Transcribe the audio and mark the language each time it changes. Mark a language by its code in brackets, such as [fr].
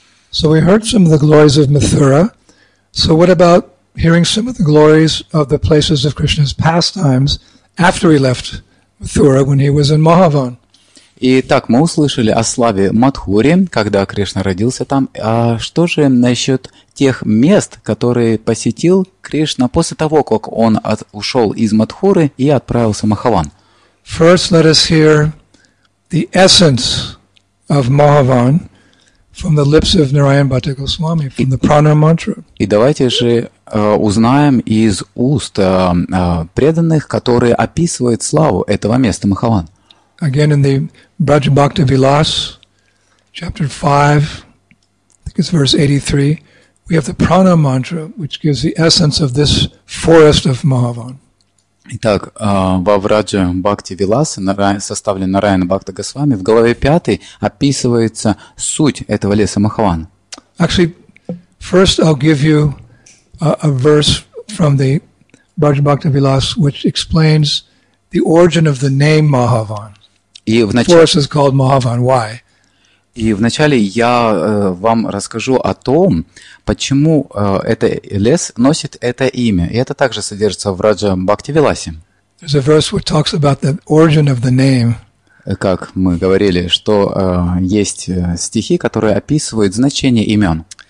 [en] So we heard some of the glories of Mathura. So what about hearing some of the glories of the places of Krishna's pastimes after he left Mathura when he was in Mahavan? [ru] Итак, мы услышали о славе Мадхури, когда Кришна родился там. А что же насчет тех мест, которые посетил Кришна после того, как он ушел из Мадхуры и отправился в Махаван? [en] First, let us hear the essence of Mahavan from the lips of Narayan Bhatta Goswami, from the Prana Mantra. [ru] И давайте же узнаем из уст преданных, которые описывают славу этого места Махаван. [en] Again, in the Braj Bhakta Vilas, chapter 5, I think it's verse 83, we have the Prana Mantra, which gives the essence of this forest of Mahavan. [ru] Итак, во Враджа Бхакти Виласа, составленном Нараяна Бхакта Госвами, в главе 5 описывается суть этого леса Махаван. [en] Actually, first I'll give you a verse from the Враджа Бхакти Вилас, which explains the origin of the name Mahavan. The forest is called Mahavan. Why? [ru] И вначале я вам расскажу о том, почему этот лес носит это имя. И это также содержится в Раджа Бхакти Виласе. [en] There's a verse which talks about the origin of the name. [ru] Как мы говорили, что есть стихи, которые описывают значение имен.